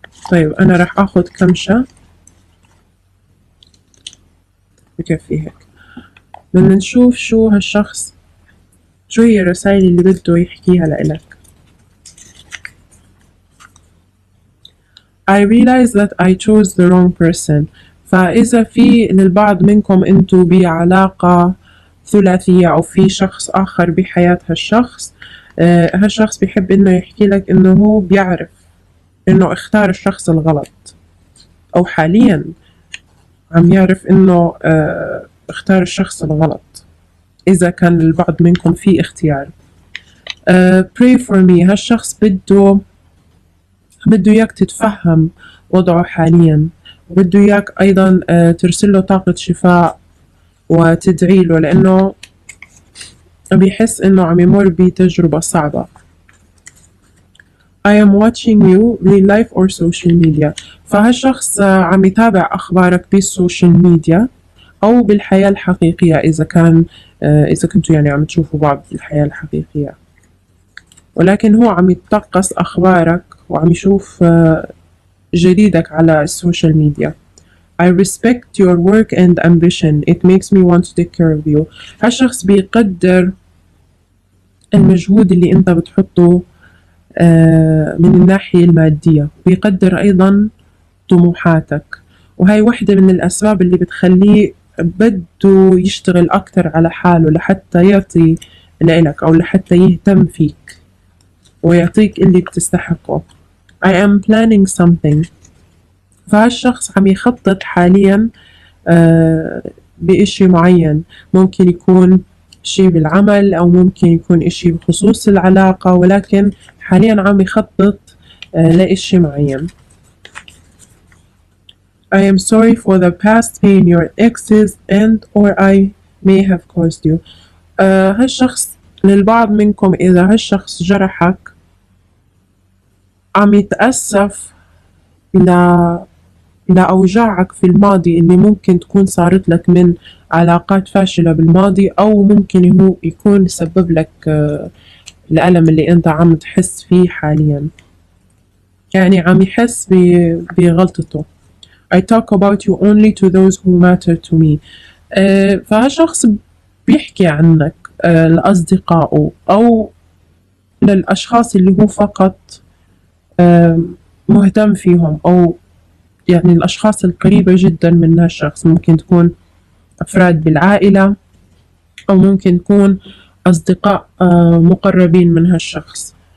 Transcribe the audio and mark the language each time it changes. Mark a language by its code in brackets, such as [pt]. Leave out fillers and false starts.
[ar] طيب أنا راح أخذ كمشة بكفي هيك، بدنا نشوف شو هالشخص، شو هي الرسائل اللي بده يحكيها لإلك. [en] I realize that I chose the wrong person. [ar] فإذا في للبعض منكم أنتوا بعلاقة ثلاثية، أو في شخص آخر بحياة هالشخص، هالشخص بيحب انه يحكي لك انه هو بيعرف انه اختار الشخص الغلط، او حاليا عم يعرف انه اختار الشخص الغلط. اذا كان البعض منكم في اختيار، [en] pray for me. [ar] هالشخص بده اياك تتفهم وضعه حاليا، بده اياك ايضا ترسل له طاقة شفاء وتدعي له، لانه بيحس انه عم يمر بتجربة صعبة. [en] I am watching you real life or social media. [ar] فهالشخص عم يتابع اخبارك بالسوشيال ميديا، أو بالحياة الحقيقية إذا كنتوا يعني عم تشوفوا بعض في الحياة الحقيقية، ولكن هو عم يتقص أخبارك وعم يشوف جديدك على السوشيال ميديا. [en] I respect your work and ambition. It makes me want to take care of you. [ar] هالشخص بيقدر المجهود اللي أنت بتحطه من الناحية المادية، بيقدر أيضا طموحاتك، وهي واحدة من الأسباب اللي بتخليه بده يشتغل أكتر على حاله لحتى يعطي لإلك أو لحتى يهتم فيك ويعطيك اللي بتستحقه. [en] I am planning something. [ar] فهالشخص عم يخطط حاليا بإشي معين، ممكن يكون شيء بالعمل أو ممكن يكون إشي بخصوص العلاقة، ولكن حاليا عم يخطط لإشي معين. [en] I am sorry for the past pain your exes and or I may have caused you. [ar] هالشخص للبعض منكم إذا هالشخص جرحك عم يتأسف لأوجاعك في الماضي اللي ممكن تكون صارت لك من علاقات فاشلة بالماضي، أو ممكن هو يكون سبب لك الألم اللي أنت عم تحس فيه حاليا، يعني عم يحس بغلطته. [en] I talk about you only to those who matter to me. [ar] فهالشخص بيحكي عنك لأصدقائه أو للأشخاص اللي هو فقط مهتم فيهم، أو يعني الأشخاص القريبة جدا من هالشخص، ممكن تكون أفراد بالعائلة أو ممكن تكون أصدقاء مقربين من هالشخص.